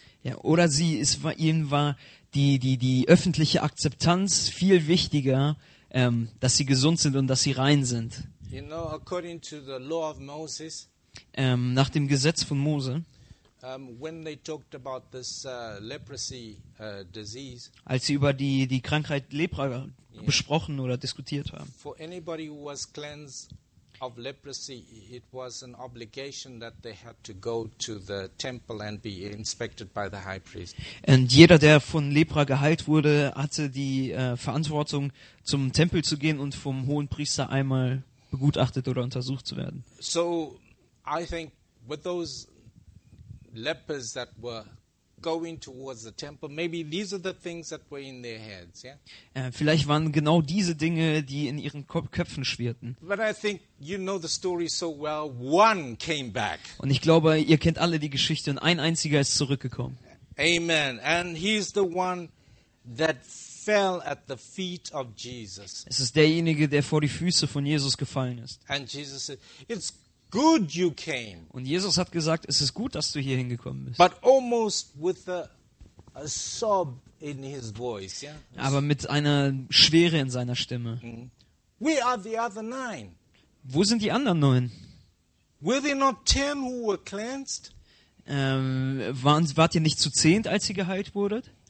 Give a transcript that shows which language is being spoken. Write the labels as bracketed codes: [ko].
[de] Ja, oder sie, es war ihnen war die öffentliche Akzeptanz viel wichtiger, dass sie gesund sind und dass sie rein sind. [en] You know, according to the law of Moses, [de] nach dem Gesetz von Mose, [en] when they talked about this leprosy disease, [de] als sie über die Krankheit Lepra besprochen oder diskutiert haben. [en] For anybody who was cleansed of leprosy, it was an obligation that they had to go to the temple and be inspected by the high priest. [de] Und jeder, der von Lepra geheilt wurde, hatte die Verantwortung, zum Tempel zu gehen und vom hohen Priester einmal begutachtet oder untersucht zu werden. [en] So, I think with those lepers that were going towards the temple, maybe these are the things that were in their heads, yeah? [de] Vielleicht waren genau diese Dinge, die in ihren Köpfen schwirrten. [en] But I think you know the story so well, one came back. [de] Und ich glaube, ihr kennt alle die Geschichte und ein einziger ist zurückgekommen. Amen. [en] And he's the one that fell at the feet of Jesus. [de] Es ist derjenige, der vor die Füße von Jesus gefallen ist. [en] And Jesus said, it's good you came. [de] Und Jesus hat gesagt, es ist gut, dass du hier hingekommen bist. [en] But almost with a sob in his voice, yeah? [de] Aber mit einer Schwere in seiner Stimme. Mm-hmm. [en] Where are the other nine? [de] Wo sind die anderen neun? [en] Were there not ten who were cleansed? [de] Wart ihr nicht zu zehnt, als ihr geheilt wurdet?